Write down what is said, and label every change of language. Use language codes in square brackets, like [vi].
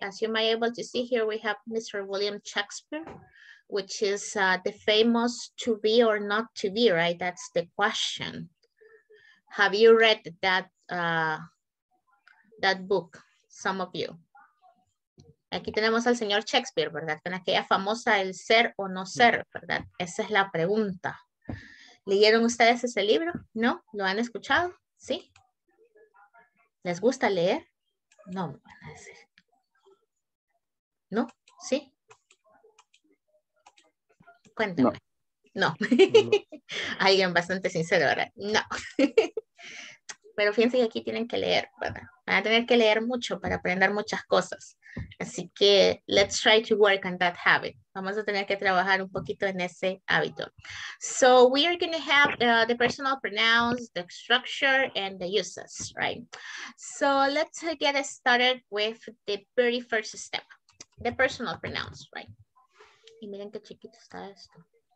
[en] As you might be able to see here, we have Mr. William Shakespeare, which is the famous to be or not to be, right? That's the question. Have you read that that book, some of you? [es] Aquí tenemos al señor Shakespeare, ¿verdad? Con aquella famosa, el ser o no ser, ¿verdad? Esa es la pregunta. ¿Leyeron ustedes ese libro? ¿No? ¿Lo han escuchado? ¿Sí? ¿Les gusta leer? No, me van a decir. ¿No? ¿Sí? Cuéntame. No. No. Alguien bastante sincero, ¿verdad? No. Pero fíjense que aquí tienen que leer, ¿verdad? Van a tener que leer mucho para aprender muchas cosas. Así que [en] let's try to work on that habit. [es] Vamos a tener que trabajar un poquito en ese hábito. [en] So we are going to have the personal pronouns, the structure, and the uses, right? So let's get started with the very first step, the personal pronouns, right? [es] Y miren qué chiquito está esto.